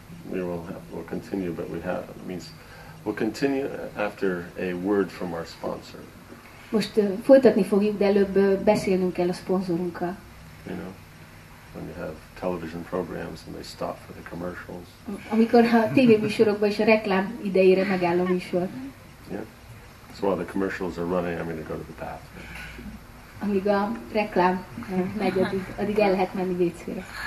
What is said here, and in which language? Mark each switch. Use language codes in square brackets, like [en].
[en] We'll continue, but we have it means we'll continue after a word from our sponsor. [hu] Most folytatni fogjuk, de előbb beszélnünk kell a szponzorunkkal. [en] You know, when you have television programs and they stop for the commercials. [hu] Amikor a tévéműsorokban is a reklám idejére megáll a műsor. [en] Yeah. So while the commercials are running, I'm going to go to the bathroom. [hu] Amíg a reklám megy, addig el lehet menni vécére.